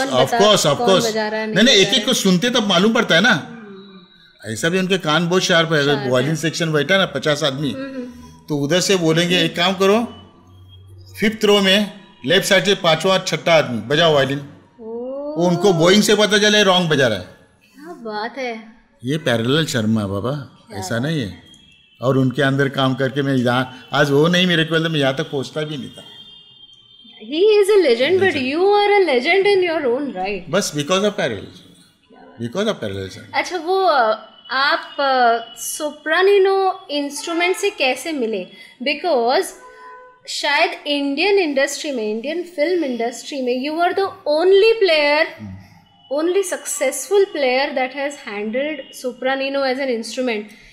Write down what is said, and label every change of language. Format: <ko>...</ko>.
<hi>Of course of course, नहीं एक एक को सुनते तब मालूम पड़ता है ना, ऐसा भी उनके कान बहुत शार्प है, अगर वॉयलिन सेक्शन बैठा ना 50 आदमी तो उधर से बोलेंगे एक काम करो फिफ्थ रो में लेफ्ट साइड से 5वां 6ठा आदमी बजाओ वायलिन, वो उनको बोइंग से पता चले रॉन्ग बजा रहा है, क्या बात है, ये पैरेलल शर्मा बाबा, ऐसा नहीं है, और उनके अंदर काम करके मैं यहाँ आज वो नहीं मेरे को, मैं यहाँ तक पहुँचता भी नहीं था,</hi> <en>he is a legend, but you are a legend in your own right. बस because of parallel, because of parallel sir.</en> <hi>अच्छा वो आप सोप्रानिनो इंस्ट्रूमेंट से कैसे मिले, बिकॉज शायद इंडियन इंडस्ट्री में, इंडियन फिल्म इंडस्ट्री में</hi> <en>You are the only player, only successful player that has handled sopranino as an instrument.</en>